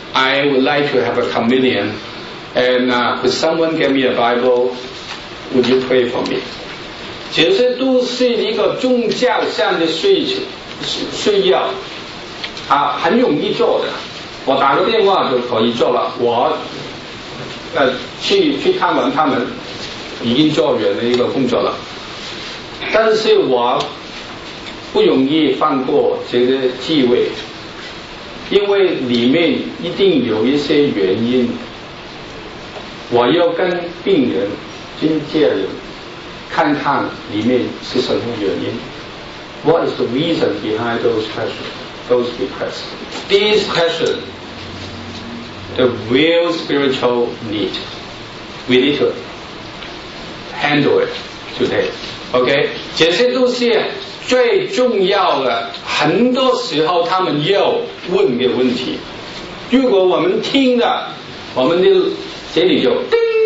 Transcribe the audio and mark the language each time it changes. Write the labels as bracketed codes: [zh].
[en] I would like to have a communion, and could someone get me a Bible? Would you pray for me? [zh] 这些都是一个宗教上的需要啊，很容易做的，我打个电话就可以做了，我去看完他们已经做完了一个工作了，但是我不容易放过这个机会，因为里面一定有一些原因，我要跟病人今天看看里面是什么原因。 [en] What is the reason behind those questions, those requests? These questions, the real spiritual need, we need to handle it today. Okay? [zh] 这些都是最重要的，很多时候他们要问的问题。如果我们听了，我们的这里就叮。